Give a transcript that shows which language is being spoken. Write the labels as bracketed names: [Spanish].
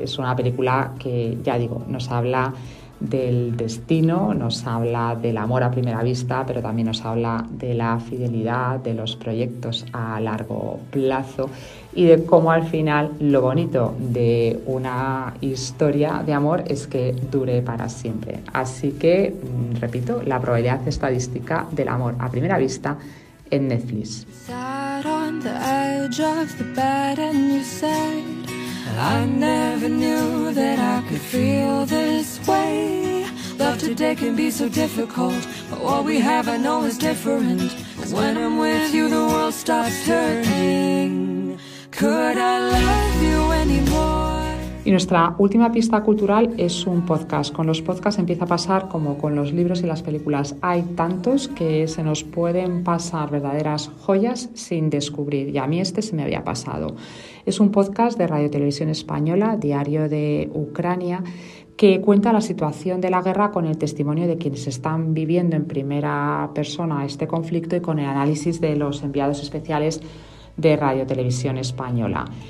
[Spanish] Es una película que, ya digo, nos habla del destino, nos habla del amor a primera vista, pero también nos habla de la fidelidad, de los proyectos a largo plazo y de cómo al final lo bonito de una historia de amor es que dure para siempre. Así que, repito, La probabilidad estadística del amor a primera vista en Netflix. [English] The edge of the bed and you said I never knew that I could feel this way. Love today can be so difficult, but what we have I know is different. Cause when I'm with you the world stops turning. Could I love you anymore? [Spanish] Y nuestra última pista cultural es un podcast. Con los podcasts empieza a pasar como con los libros y las películas. Hay tantos que se nos pueden pasar verdaderas joyas sin descubrir. Y a mí este se me había pasado. Es un podcast de Radio Televisión Española, Diario de Ucrania, que cuenta la situación de la guerra con el testimonio de quienes están viviendo en primera persona este conflicto y con el análisis de los enviados especiales de Radio Televisión Española.